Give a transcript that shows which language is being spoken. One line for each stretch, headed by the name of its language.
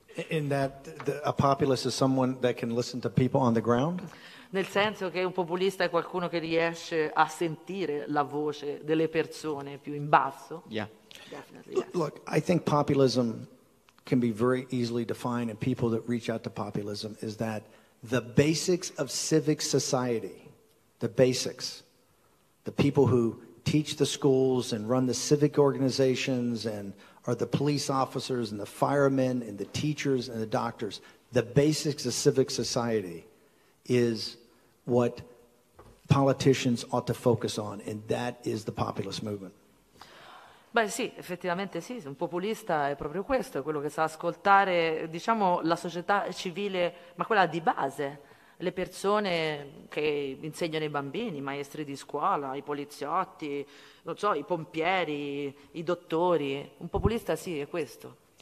English: In that a populist is someone that can listen to people on the ground?
Italian: Nel senso che un populista è qualcuno che riesce a sentire la voce delle persone più in basso?
English: Yeah. Definitely, yes. Look, I think populism can be very easily defined, and people that reach out to populism is that the basics of civic society, the basics, the people who teach the schools and run the civic organizations and are the police officers and the firemen and the teachers and the doctors, the basics of civic society is what politicians ought to focus on, and that is the populist movement.
Italian: Beh sì, effettivamente sì, un populista è proprio questo, è quello che sa ascoltare, diciamo, la società civile, ma quella di base, le persone che insegnano i bambini, i maestri di scuola, i poliziotti, non so, i pompieri, i dottori, un populista sì, è questo.